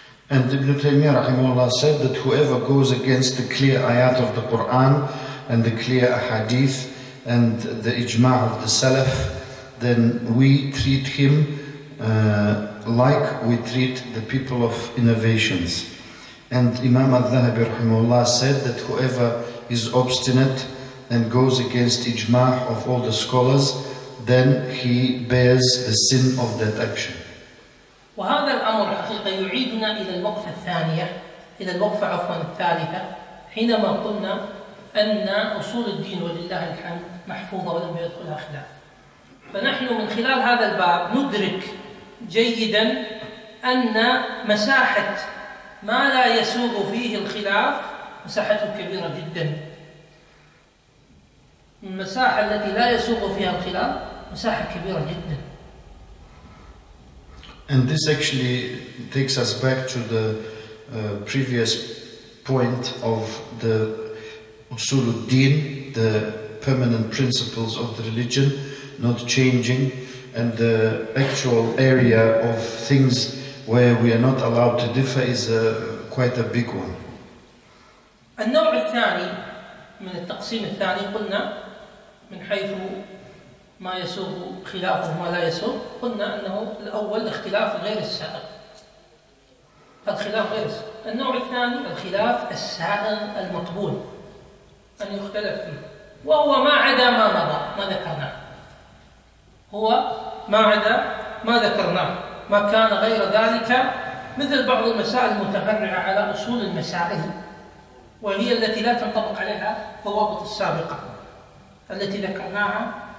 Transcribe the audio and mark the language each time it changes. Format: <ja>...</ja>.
<en>And Ibn Taymiyyah rahimahullah said that whoever goes against the clear ayat of the Quran and the clear ahadith and the ijma' of the Salaf, then we treat him like we treat the people of innovations. And Imam al-Dhahabi rahimahullah said that whoever is obstinate and goes against ijma' of all the scholars, then he bears the sin of that action.</en> <ar>وهذا الأمر حقيقة يعيدنا إلى الوقفة الثانية إلى الوقفة عفوا الثالثة حينما قلنا أن أصول الدين ولله الحمد محفوظة ولم يدخلها خلاف فنحن من خلال هذا الباب ندرك جيدا أن مساحة ما لا يسوغ فيه الخلاف مساحته كبيرة جدا المساحة التي لا يسوغ فيها الخلاف مساحة كبيرة جدا.</ar> <en>And this actually takes us back to the previous point of the usuluddin, the permanent principles of the religion, not changing, and the actual area of things where we are not allowed to differ is quite a big one.</en> <ar>النوع الثاني من التقسيم الثاني قلنا من حيث ما يسوغ خلافه وما لا يسوغ قلنا أنه الأول الاختلاف غير السائغ الخلاف غير السائغ النوع الثاني الخلاف السائغ المقبول أن يختلف فيه وهو ما عدا ما مضى ما ذكرناه هو ما عدا ما ذكرناه ما كان غير ذلك مثل بعض المسائل المتفرعة على أصول المسائل وهي التي لا تنطبق عليها الضوابط السابقة التي ذكرناها</ar>